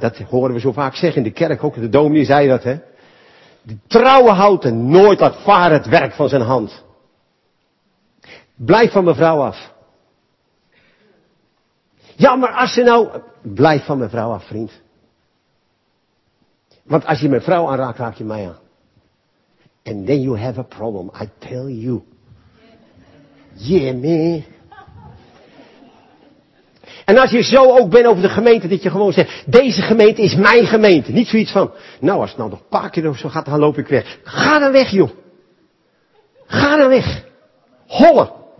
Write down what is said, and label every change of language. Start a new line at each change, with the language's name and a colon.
Dutch: Dat horen we zo vaak zeggen in de kerk ook. De dominee zei dat, hè? Die trouwen houdt en nooit laat varen het werk van zijn hand. Blijf van mevrouw af. Ja, maar als ze nou... Blijf van mevrouw af, vriend. Want als je mevrouw aanraakt, raak je mij aan.
English: And then you have a problem, I tell you. Yeah, man.
Dutch: En als je zo ook bent over de gemeente, dat je gewoon zegt, deze gemeente is mijn gemeente. Niet zoiets van, nou als het nou nog een paar keer of zo gaat, dan loop ik weg. Ga dan weg, joh. Ga dan weg. Hollen.